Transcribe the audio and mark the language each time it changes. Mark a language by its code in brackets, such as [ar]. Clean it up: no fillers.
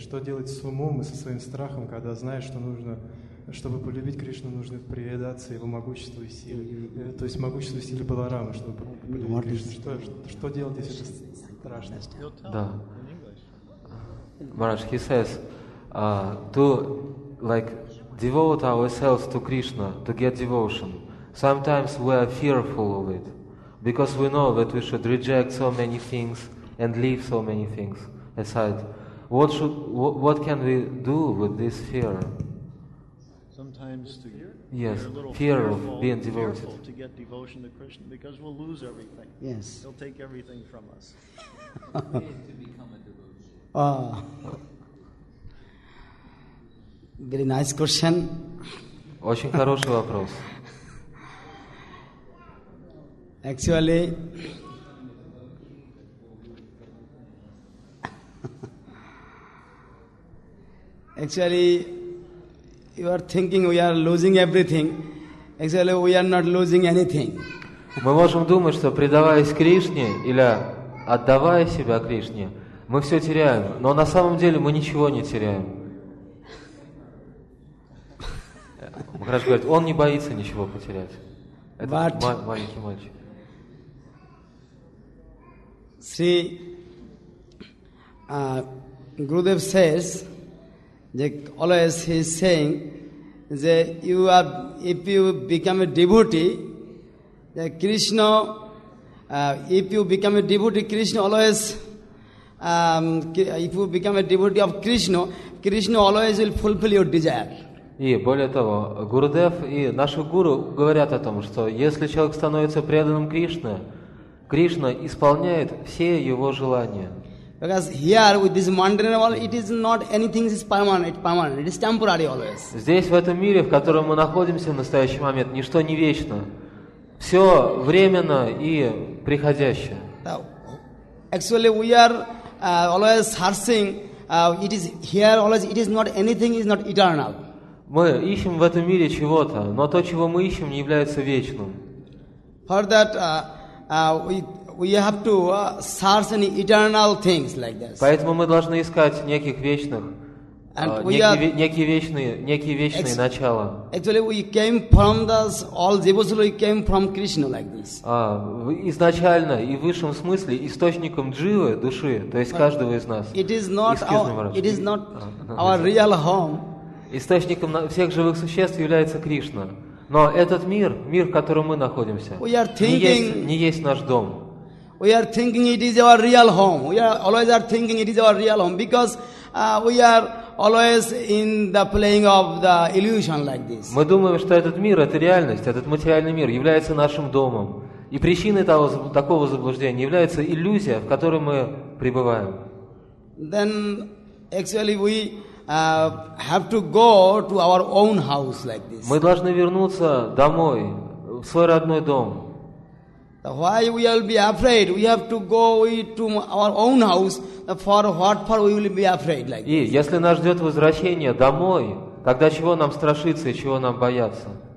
[ru] Что делать с умом и со своим страхом, когда знаешь, что нужно, чтобы полюбить Кришну, нужно предаться Его могуществу и силе? То есть могуществу и силе Баларама, чтобы полюбить Кришну. Что делать, если страшно? Да. [en] Maharaj, he says, to like devote ourselves to Krishna, to get devotion, sometimes we are fearful of it, because we know that we should reject so many things and leave so many things aside. What can we do with this fear? Sometimes to fear? Yes, fear of being devoted. To get devotion to Krishna, because we'll lose everything. Yes. He'll take everything from us. To become a devotee. Very nice question. [ru] Очень хороший вопрос. [en] Actually, you are thinking we are losing everything. Actually, we are not losing anything. [ru] Мы можем думать, что предаваясь Кришне или отдавая себя Кришне, мы все теряем. Но на самом деле мы ничего не теряем. Махарадж говорит, он не боится ничего потерять. Это маленький мальчик. [en] See, Gurudev says that always he is saying that if you become a devotee, that Krishna, if you become a devotee of Krishna, Krishna always will fulfill your desire. [ru] И более того, Гурудев и наши гуру говорят о том, что если человек становится преданным Кришне, Кришна исполняет все его желания. [en] Because here with this mundane world, it is not anything is permanent. It is temporary always. [ru] Здесь в этом мире, в котором мы находимся в настоящий момент, ничто не вечно. Все временно и приходящее. [en] Actually, we are always searching. It is here always. It is not anything. Is not eternal. [ru] Мы ищем в этом мире чего-то, но то, чего мы ищем, не является вечным. [en] For that. We have to search any eternal things like this. [ru] Поэтому мы должны искать неких вечных, некие вечные начала. [en] Actually, we came from this. All jivasulu came from Krishna like this. [ru] Изначально и в высшем смысле источником дживы души, то есть каждого из нас. [en] It is not our real home. [ru] Источником всех живых существ является Кришна. Но этот мир, мир, в котором мы находимся, не есть наш дом. [en] We are thinking it is our real home. We are always are thinking it is our real home because we are always in the playing of the illusion like this. [ru] Мы думаем, что этот мир, это реальность, этот материальный мир является нашим домом. И причиной такого заблуждения является иллюзия, в которой мы пребываем. [en] Then actually we have to go to our own house like this. [ru] Мы должны вернуться домой, в свой родной дом. [en] Why we will be afraid? We have to go to our own house. For what? For we will be afraid like this. [ru] И если нас ждет возвращение домой, тогда чего нам страшиться и чего нам бояться?